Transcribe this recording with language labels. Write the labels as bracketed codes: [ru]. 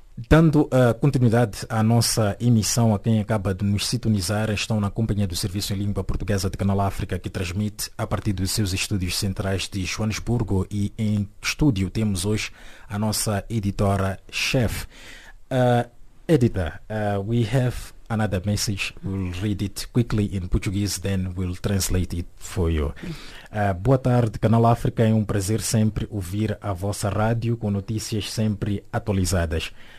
[pt] Dando continuidade à nossa emissão, a quem acaba de nos sintonizar, estão na companhia do Serviço em Língua Portuguesa de Canal África, que transmite a partir dos seus estúdios centrais de Joanesburgo, e em estúdio temos hoje a nossa editora-chefe. [en] Editor, we have another message. We'll read it quickly in Portuguese, then we'll translate it for you. [pt] Boa tarde, Canal África. É um prazer sempre ouvir a vossa rádio com notícias sempre atualizadas.